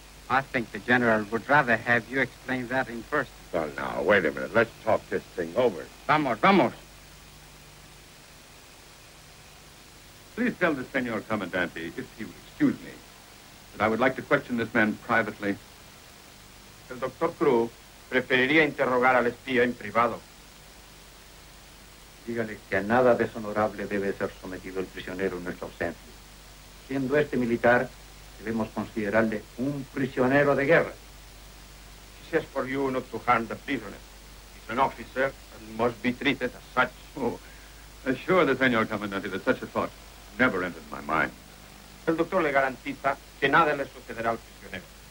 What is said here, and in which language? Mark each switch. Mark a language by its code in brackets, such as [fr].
[en] I think the general would rather have you explain that in person. Well, now, wait a minute. Let's talk this thing over. [es] Vamos, vamos. [en] Please tell the senor comandante, if he will excuse me, that I would like to question this man privately. [es] El doctor Cruz preferiría interrogar al espía en privado. Dígale que a nada deshonorable debe ser sometido el prisionero en nuestra ausencia. Siendo este militar, debemos considerarle un prisionero de guerra. [en] He says for you not to harm the prisoner. He's an officer and must be treated as such. Oh, assure the senor comandante that such a thought never entered my mind. [es] El doctor le garantiza que nada le sucederá al prisionero.